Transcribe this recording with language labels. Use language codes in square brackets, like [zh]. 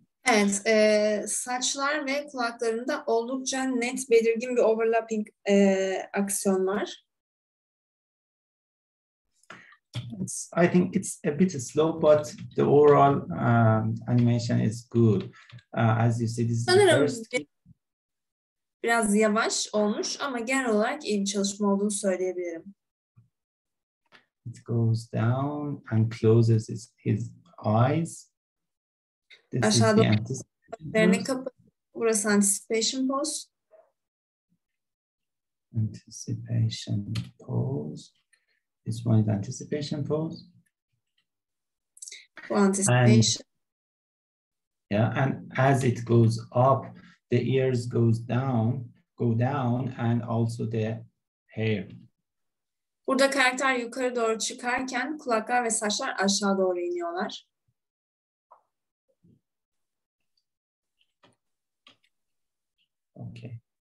[tr] Evet, saçlar ve kulaklarında oldukça net belirgin bir overlapping aksiyon var. [en] I think it's a bit slow, but the overall animation is good. As you see, this [tr] sanırım [en] is the first. [tr] Biraz yavaş olmuş ama genel olarak iyi bir çalışma olduğunu söyleyebilirim. [en] It goes down and closes his eyes. This [tr] aşağıda gözlerini kapatıyor. Burası anticipation pose. [en] Anticipation pose. This one is anticipation pose. Anticipation. Yeah, and as it goes up, the ears go down, and also the hair. [tr] Burada karakter yukarı doğru çıkarken kulaklar ve saçlar aşağı doğru iniyorlar. [en] Okay.